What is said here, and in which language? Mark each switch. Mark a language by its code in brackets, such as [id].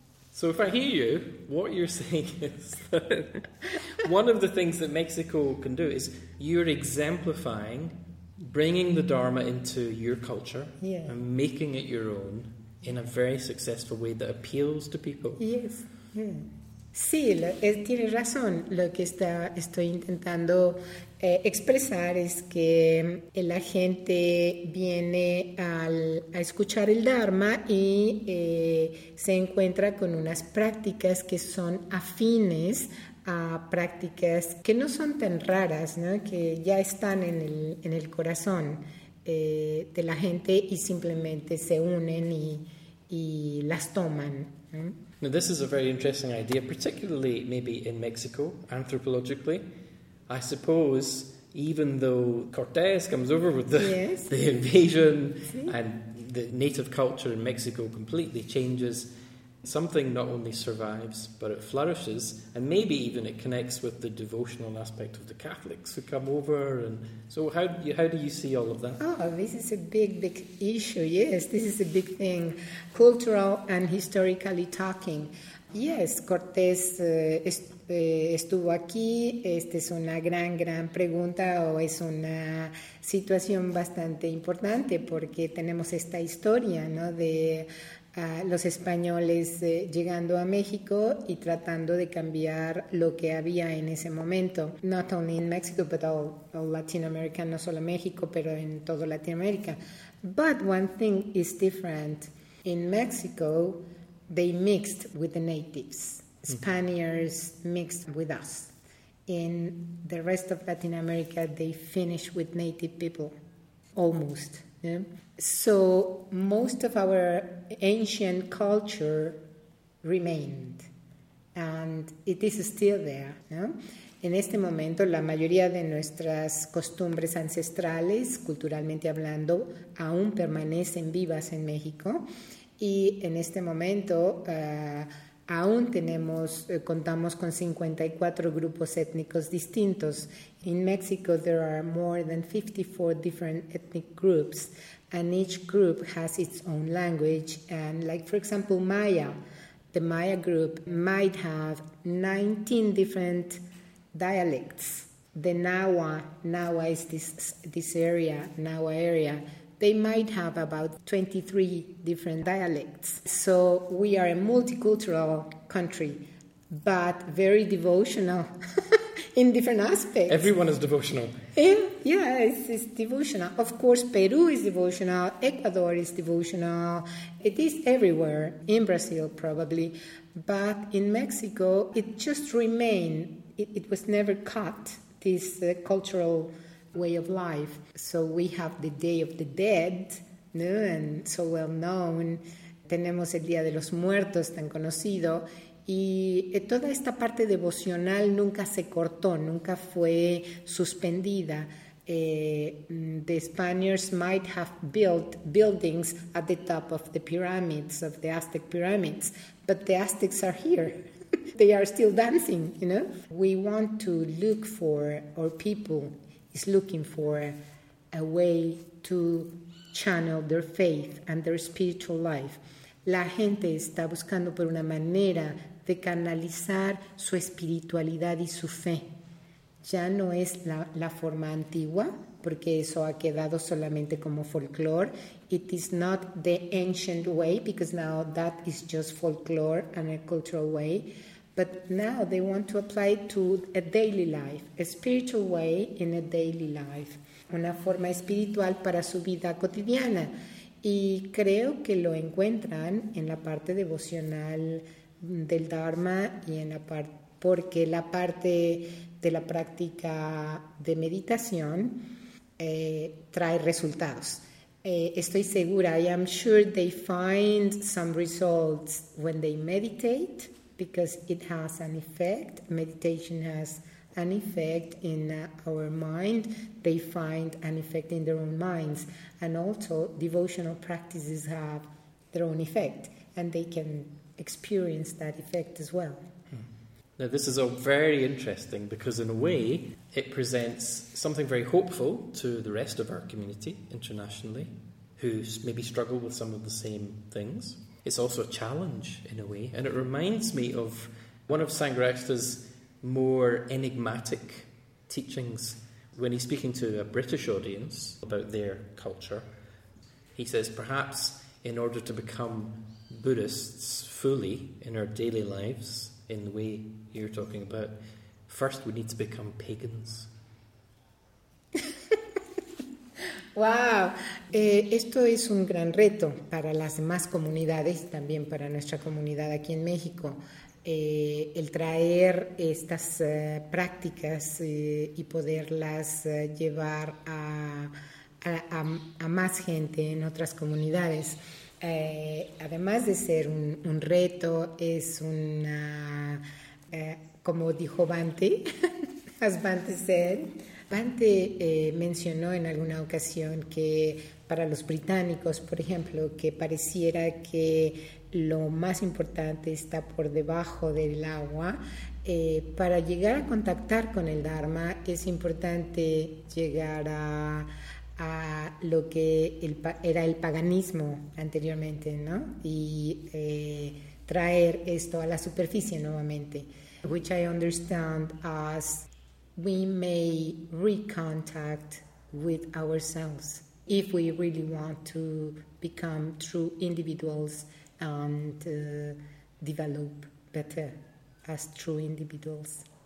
[en] So if I hear you, what you're saying is that one of the things that Mexico can do is you're exemplifying bringing the Dharma into your culture, yeah, and making it your own in a very successful way that appeals to people. Yes. [es] Sí, tiene razón. Lo que estoy intentando expresar es que la gente viene a escuchar el Dharma y se encuentra con unas prácticas que son afines a prácticas que no son tan raras, ¿no? Que ya están en el corazón de la gente y simplemente se unen y las toman. [en] Now this is a very interesting idea, particularly maybe in Mexico, anthropologically. I suppose even though Cortés comes over with the invasion and the native culture in Mexico completely changes, something not only survives, but it flourishes, and maybe even it connects with the devotional aspect of the Catholics who come over. And so how do you see all of that? Oh, this is a big, big issue. Yes, this is a big thing, cultural and historically talking. [es] Yes, Cortés estuvo aquí. Esta es una gran, gran pregunta, o es una situación bastante importante, porque tenemos esta historia, ¿no?, de los españoles llegando a México y tratando de cambiar lo que había en ese momento. [en] Not only in Mexico, but all Latin America, [es] no solo México, pero en todo Latinoamérica. [en] But one thing is different. In Mexico, they mixed with the natives. Spaniards mixed with us. In the rest of Latin America, they finished with native people, almost. Yeah. So most of our ancient culture remained, and it is still there. Yeah? [es] En este momento, la mayoría de nuestras costumbres ancestrales, culturalmente hablando, aún permanecen vivas en México. Y en este momento, aún tenemos, contamos con 54 grupos étnicos distintos. [en] In Mexico, there are more than 54 different ethnic groups, and each group has its own language. And like, for example, Maya, the Maya group might have 19 different dialects. The Nahua is this area, they might have about 23 different dialects. So we are a multicultural country, but very devotional in different aspects. Everyone is devotional. Yeah, it's devotional. Of course, Peru is devotional, Ecuador is devotional. It is everywhere, in Brazil probably. But in Mexico, it just remained. It was never cut, this cultural way of life. So we have the Day of the Dead, ¿no?, and so well known. [es] Tenemos el Día de los Muertos, tan conocido. Y toda esta parte devocional nunca se cortó, nunca fue suspendida. [en] The Spaniards might have built buildings at the top of the pyramids, of the Aztec pyramids, but the Aztecs are here. They are still dancing, you know? We want to look for, our people is looking for, a way to channel their faith and their spiritual life. [es] La gente está buscando por una manera de canalizar su espiritualidad y su fe. Ya no es la forma antigua, porque eso ha quedado solamente como folklore. [en] It is not the ancient way, because now that is just folklore and a cultural way. But now they want to apply it to a daily life, a spiritual way in a daily life. [es] Una forma espiritual para su vida cotidiana. Y creo que lo encuentran en la parte devocional del Dharma y en la parte, porque la parte de la práctica de meditación trae resultados. Estoy segura, [en] I am sure they find some results when they meditate, because it has an effect. Meditation has an effect in our mind. They find an effect in their own minds. And also, devotional practices have their own effect, and they can experience that effect as well. Now, this is all very interesting, because in a way, it presents something very hopeful to the rest of our community internationally, who maybe struggle with some of the same things. It's also a challenge, in a way, and it reminds me of one of Sangharakshita's more enigmatic teachings. When he's speaking to a British audience about their culture, he says, perhaps in order to become Buddhists fully in our daily lives, in the way you're talking about, first we need to become pagans. [es] Wow, esto es un gran reto para las demás comunidades, también para nuestra comunidad aquí en México, el traer estas prácticas y poderlas llevar a más gente en otras comunidades. Además de ser un reto, es una, como dijo Bhante, [en] as Bhante said, [es] Bante mencionó en alguna ocasión que para los británicos, por ejemplo, que pareciera que lo más importante está por debajo del agua. Para llegar a contactar con el Dharma es importante llegar a lo que era el paganismo anteriormente, ¿no? Y traer esto a la superficie nuevamente. [en] Which I understand as we may recontact with ourselves if we really want to become true individuals and develop better as true individuals.